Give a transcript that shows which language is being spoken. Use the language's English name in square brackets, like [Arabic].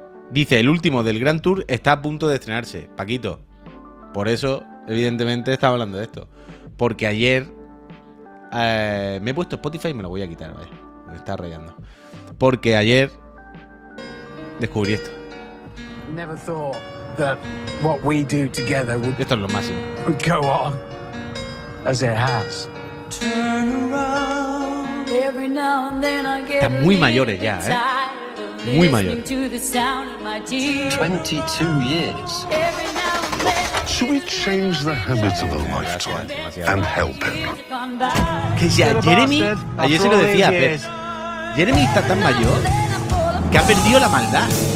[Spanish] Dice, el último del Grand Tour está a punto de estrenarse, Paquito. Por eso, evidentemente, estaba hablando de esto. Porque ayer me he puesto Spotify y me lo voy a quitar, vaya. Me está rayando. Porque ayer descubrí esto. [English] Never thought that what we do together would, [Spanish] esto es lo máximo, [English] would go on as it has. Turn around. Every now and then I get. [Spanish] Están muy mayores ya, ¿eh? Muy mayores. [English] 22 years. Should we change the habits of a lifetime and help him? [Spanish] Que ya Jeremy, ayer se lo decía, pero Jeremy está tan mayor que ha perdido la maldad.